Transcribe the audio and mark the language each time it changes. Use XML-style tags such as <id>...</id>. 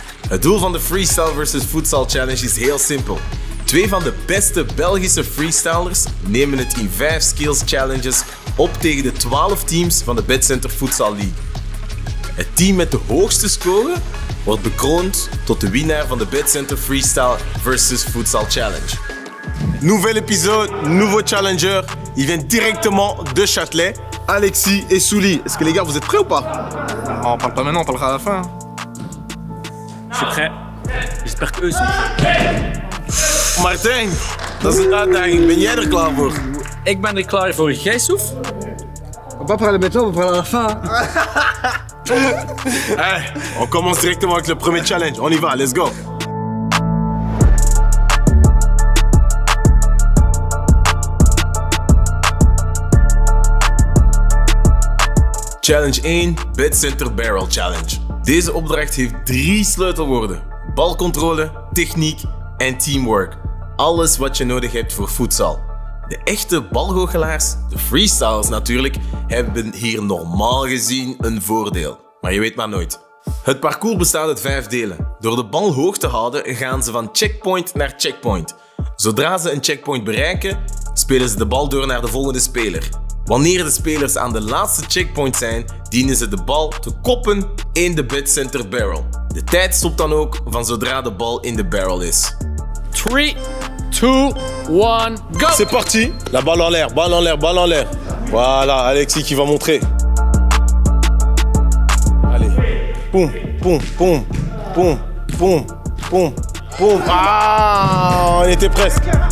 <nl>Het doel van de Freestyle versus Futsal Challenge is heel simpel. Twee van de beste Belgische freestylers nemen het in 5 skills challenges op tegen de 12 teams van de Betcenter Futsal League. Het team met de hoogste score wordt bekroond tot de winnaar van de Betcenter Freestyle versus Futsal Challenge.</nl> <fr>Nouvel épisode, nouveau challenger. Il vient directement de Châtelet, Alexis et Souli. Est-ce que les gars, vous êtes prêts ou pas? On parle pas maintenant, on parlera à la fin. Je suis prêt. J'espère qu'eux sont prêts.</fr> <nl>Martin, dat is een uitdaging. Ben jij er klaar voor? Ik ben er klaar voor. Jij, Souf?</nl> <fr>On va parler maintenant, on va parler à la fin. Hey, on commence directement avec le premier challenge. On y va,</fr> <en>let's go. Challenge 1, Bed Center Barrel Challenge.</en> <nl>Deze opdracht heeft 3 sleutelwoorden. Balcontrole, techniek en teamwork. Alles wat je nodig hebt voor futsal. De echte balgoochelaars, de freestylers natuurlijk, hebben hier normaal gezien een voordeel. Maar je weet maar nooit. Het parcours bestaat uit 5 delen. Door de bal hoog te houden gaan ze van checkpoint naar checkpoint. Zodra ze een checkpoint bereiken, spelen ze de bal door naar de volgende speler. Wanneer de spelers aan de laatste checkpoint zijn, dienen ze de bal te koppen in de Bed Center Barrel. De tijd stopt dan ook van zodra de bal in de barrel is.</nl> <en>3, 2, 1, go!</en> <fr>C'est parti! La balle en l'air, balle en l'air, balle en l'air. Voilà, Alexis qui va montrer. Allez. Boum, boum, boum, boum, boum, boum, boum. Ah, on était presque.</fr>